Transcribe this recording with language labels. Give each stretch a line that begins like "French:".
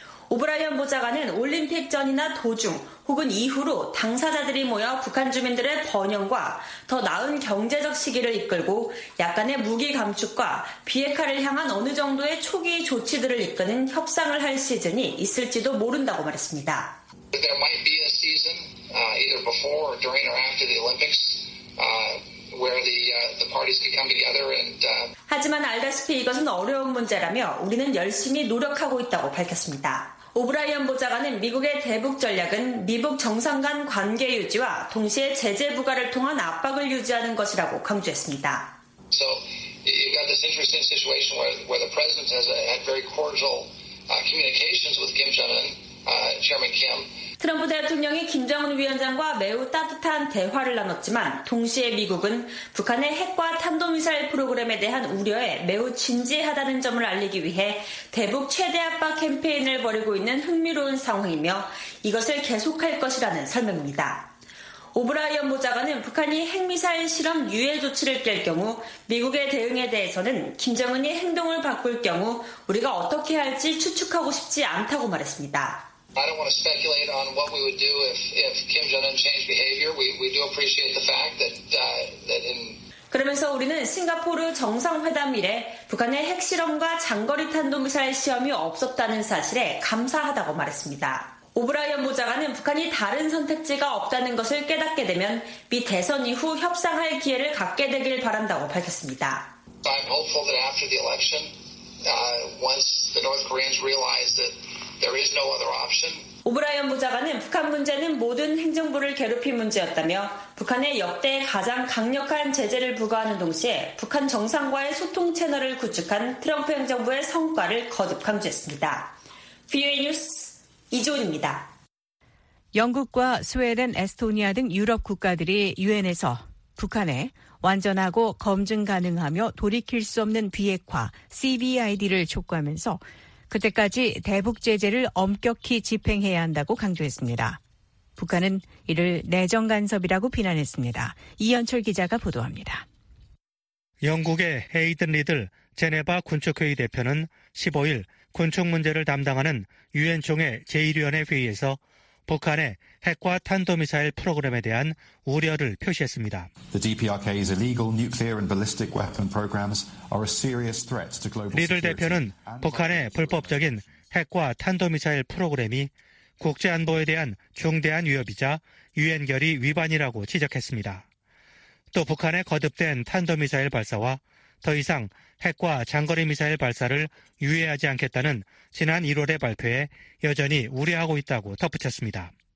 Korean: 오브라이언 보좌관은 올림픽 전이나 도중 혹은 이후로 당사자들이 모여 북한 주민들의 번영과 더 나은 경제적 시기를 이끌고 약간의 무기 감축과 비핵화를 향한 어느 정도의 초기 조치들을 이끄는 협상을 할 시즌이 있을지도 모른다고 말했습니다.
English: There might be a season either before or during or after the Olympics. Where the parties could come together and
Korean: 하지만 알다시피 이것은 어려운 문제라며 우리는 열심히 노력하고 있다고 밝혔습니다. 오브라이언 보좌관은 미국의 대북 전략은 미북 정상 간 관계 유지와 동시에 제재 부과를 통한 압박을 유지하는 것이라고 강조했습니다.
English: So you've got this interesting situation where the president has had very cordial communications with Kim Jong-un, Chairman Kim.
Korean: 트럼프 대통령이 김정은 위원장과 매우 따뜻한 대화를 나눴지만 동시에 미국은 북한의 핵과 탄도미사일 프로그램에 대한 우려에 매우 진지하다는 점을 알리기 위해 대북 최대 압박 캠페인을 벌이고 있는 흥미로운 상황이며 이것을 계속할 것이라는 설명입니다. 오브라이언 보좌관은 북한이 핵미사일 실험 유예 조치를 깰 경우 미국의 대응에 대해서는 김정은이 행동을 바꿀 경우 우리가 어떻게 할지 추측하고 싶지 않다고 말했습니다.
English: I don't want to speculate on what we would do if Kim Jong-un changed behavior. We do appreciate the fact that in
Korean: 그러면서 우리는 싱가포르 정상회담 이래 북한의 핵실험과 장거리 탄도미사일 시험이 없었다는 사실에 감사하다고 말했습니다. 오브라이언 보좌관은 북한이 다른 선택지가 없다는 것을 깨닫게 되면 미 대선 이후 협상할 기회를 갖게 되길 바란다고 밝혔습니다.
English: I'm hopeful that after the election, once the North Koreans realize that There is no other option.
Korean: 오브라이언 보좌관은 북한 문제는 모든 행정부를 괴롭힌 문제였다며 북한에 역대 가장 강력한 제재를 부과하는 동시에 북한 정상과의 소통 채널을 구축한 트럼프 행정부의 성과를 거듭 강조했습니다. VOA 뉴스 이지훈입니다. 영국과 스웨덴, 에스토니아 등 유럽 국가들이 유엔에서 북한에 완전하고 검증 가능하며 돌이킬 수 없는 비핵화 CBID를 촉구하면서 그때까지 대북 제재를 엄격히 집행해야 한다고 강조했습니다. 북한은 이를 내정 간섭이라고 비난했습니다. 이현철 기자가 보도합니다. 영국의 헤이든 리들 제네바 군축회의 대표는 15일 군축 문제를 담당하는 유엔총회 제1위원회 회의에서 북한의 핵과 탄도미사일 프로그램에 대한 우려를 표시했습니다.
English: The DPRK's illegal nuclear and ballistic weapon programs are a serious threat to global security.
Korean: 리들 대표는 북한의 불법적인 핵과 탄도미사일 프로그램이 국제안보에 대한 중대한 위협이자 유엔결의 위반이라고 지적했습니다. 또 북한의 거듭된 탄도미사일 발사와 더 이상 핵과 장거리 미사일 발사를 유예하지 않겠다는 지난 1월의 발표에 여전히 우려하고 있다고 덧붙였습니다.